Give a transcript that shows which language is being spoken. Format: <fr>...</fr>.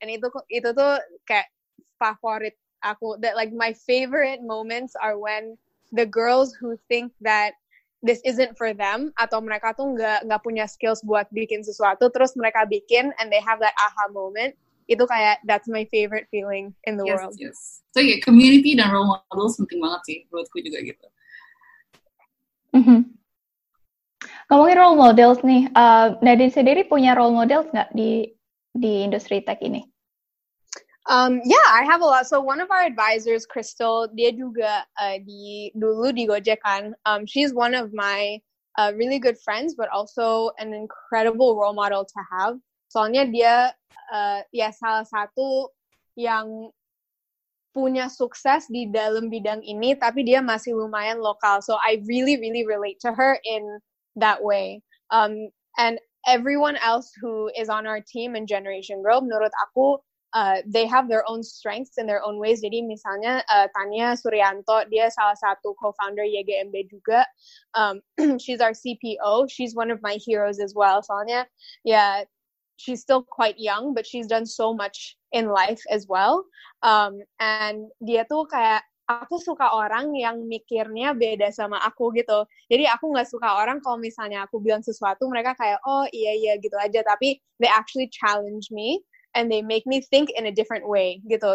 <id>And itu tuh kayak favorit aku.</id> <en>That like my favorite moments are when the girls who think that this isn't for them,</en> <id>atau mereka tuh nggak punya skills buat bikin sesuatu, terus mereka bikin</id> <en>and they have that aha moment.</en> <id>Itu kayak</id> <en>that's my favorite feeling in the world. Yes. So yeah,</en> <id>community dan role models penting banget sih. Menurutku juga gitu. Mm-hmm. Ngomongin role models nih, Nadine sendiri punya role models nggak di industri tech ini?</id> <en>Yeah, I have a lot. So one of our advisors, Crystal,</en> <id>dia juga dulu di Gojek kan.</id> <en>She's one of my really good friends, but also an incredible role model to have.</en> <id>Soalnya dia ya salah satu yang punya sukses di dalam bidang ini, tapi dia masih lumayan lokal.</id> <en>So I really, really relate to her in that way. And everyone else who is on our team in Generation Girl,</en> <id>menurut aku,</id> <en>they have their own strengths in their own ways.</en> <id>Jadi misalnya Tania Suryanto, dia salah satu co-founder YGMB juga.</id> <en>She's our CPO. She's one of my heroes as well.</en> <id>Soalnya,</id> <en>yeah, she's still quite young, but she's done so much in life as well.</en> <id>And dia tuh kayak, aku suka orang yang mikirnya beda sama aku gitu. Jadi aku gak suka orang kalau misalnya aku bilang sesuatu, mereka kayak, oh iya gitu aja.</id> <en>Tapi they actually challenge me, and they make me think in a different way gitu.</en>